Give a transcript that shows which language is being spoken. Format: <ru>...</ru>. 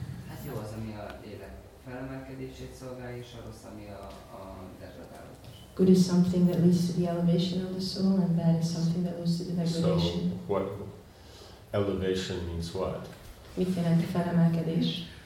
<hu>Hát jó az, ami a élet felemelkedését szolgálja, és a rossz, ami a degradálódást.</hu> <en>Good is something that leads to the elevation of the soul, and bad is something that leads to the degradation. So, what elevation means what?</en> <hu>Mit jelent a felemelkedés?</hu>